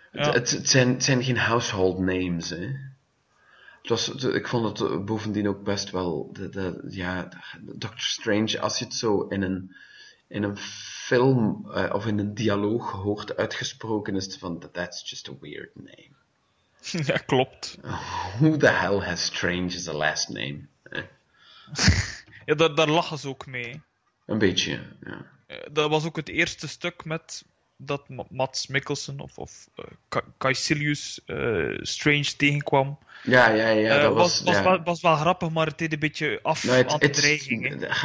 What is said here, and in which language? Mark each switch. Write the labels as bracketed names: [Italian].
[Dutch] Het zijn geen [English] household names, [Dutch] hè. Ik vond het bovendien ook best wel... Doctor Strange, als je het zo in een film of in een dialoog hoort uitgesproken, is het van, [English] that's just a weird name. [Dutch] Ja, klopt. [English] Who the hell has Strange as a last name? Eh? [Dutch] Ja, daar lachen ze ook mee. Een beetje, ja. Dat was ook het eerste stuk met... dat Mads Mikkelsen of Caecilius Strange tegenkwam. Ja, dat was wel grappig, maar het deed een beetje af aan de dreiging.